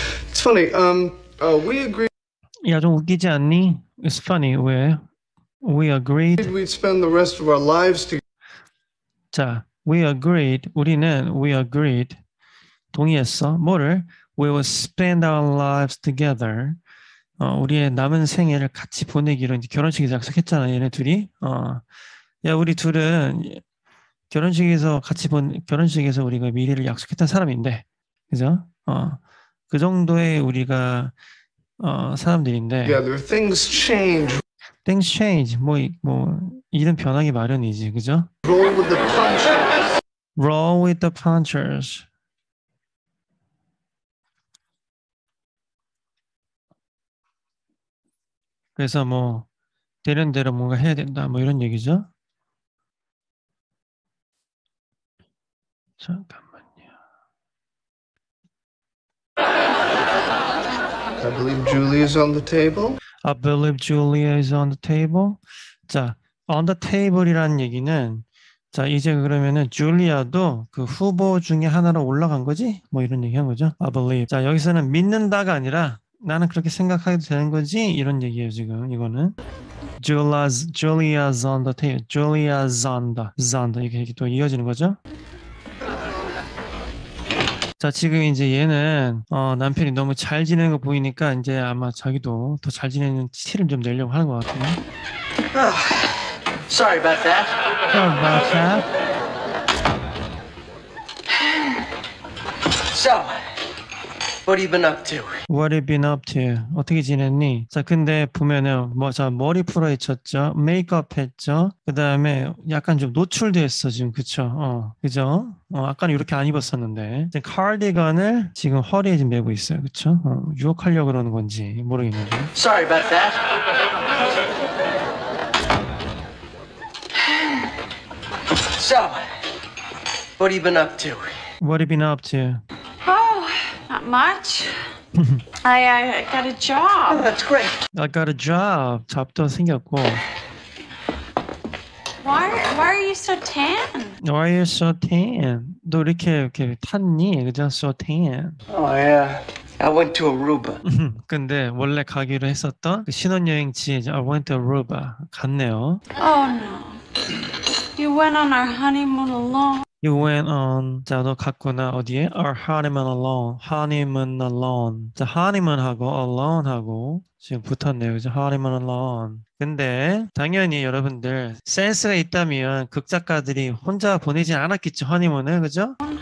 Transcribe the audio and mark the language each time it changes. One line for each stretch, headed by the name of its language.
English: It's funny. We agreed.
Korean: 야, 좀 웃기지 않니?
English: It's funny.
Korean: 왜?
English: We agreed. We'd spend the rest of our lives together. 자, we agreed.
Korean: 우리는
English: we agreed.
Korean: 동의했어. 뭐를?
English: We will spend our lives together.
Korean: 우리의 남은 생애를 같이 보내기로 이제 결혼식에 약속했잖아, 얘네 둘이. 야, 우리 둘은 결혼식에서 우리가 미래를 약속했던 사람인데, 그죠? 그 정도의 우리가 사람들인데.
English: Together, things change. Things change.
Korean: 뭐 이런 변하기 마련이지, 그죠?
English: Roll with the punches. Roll with the punches.
Korean: 그래서 뭐 되는 대로 뭔가 해야 된다, 뭐 이런 얘기죠. 잠깐만요.
English: I believe Julie is on the table. I believe Julia is on the table.
Korean: 자, on the table이라는 얘기는 자, 이제 그러면은 줄리아도 그 후보 중에 하나로 올라간 거지? 뭐 이런 얘기 한 거죠? I believe. 자, 여기서는 믿는다가 아니라 나는 그렇게 생각해도 되는 거지? 이런 얘기예요, 지금 이거는. Julia Zonda, Julia Zonda, Zonda 이렇게 또 이어지는 거죠? 자, 지금 이제 얘는 남편이 너무 잘 지내는 거 보이니까 이제 아마 자기도 더잘 지내는 티를 좀 내려고 하는 것 같아요.
English: Sorry about that. About that. So, what have you been up to? What have you been up to?
Korean: 어떻게 지냈니? 자, 근데 보면은 뭐, 자, 머리 풀어 헤쳤죠? 메이크업 했죠? 그 다음에 약간 좀 노출됐어, 지금. 그쵸? 그죠? 아까는 이렇게 안 입었었는데. 이제 카디건을 지금 허리에 지금 메고 있어요. 그쵸? 유혹하려고 그러는 건지 모르겠는데.
English: Sorry about that. So, what have you been up to? What have you been up to? Much. I got a job. Oh, that's great. I got a job.
Korean: 잡도 생겼고.
English: Why are you so tan? Why are you so tan?
Korean: 너 이렇게 탔니? 그죠?
English: So tan. Oh yeah. I went to Aruba.
Korean: 근데 원래 가기로 했었던 그 신혼여행지
English: I went to Aruba
Korean: 갔네요.
English: Oh no. You went on our honeymoon alone. You went on,
Korean: 자, 너 갔구나, 어디에?
English: Our honeymoon alone. Honeymoon alone.
Korean: 자, honeymoon 하고, alone 하고, 지금 붙었네요. 그죠? Honeymoon alone. 근데, 당연히 여러분들, 센스가 있다면, 극작가들이 혼자 보내진 않았겠죠, honeymoon을, 그죠?